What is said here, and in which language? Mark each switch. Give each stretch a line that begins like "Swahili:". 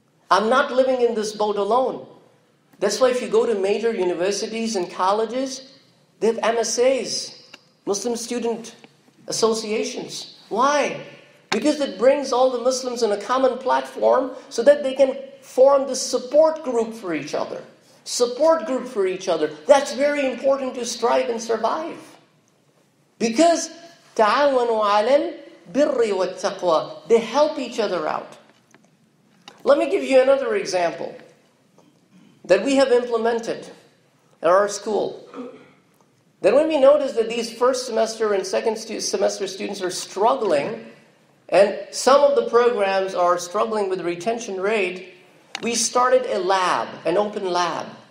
English: I'm not living in this boat alone. That's why if you go to major universities and colleges, they have MSAs, Muslim Student Associations. Why? Because it brings all the Muslims on a common platform so that they can form the support group for each other. Support group for each other. That's very important to strive and survive. Because
Arabic: تَعَوَنُوا عَلَى الْبِرِّ وَالتَّقْوَى.
English: They help each other out. Let me give you another example that we have implemented at our school. Then when we notice that these first semester and second semester students are struggling, and some of the programs are struggling with retention rate, we started a lab, an open lab.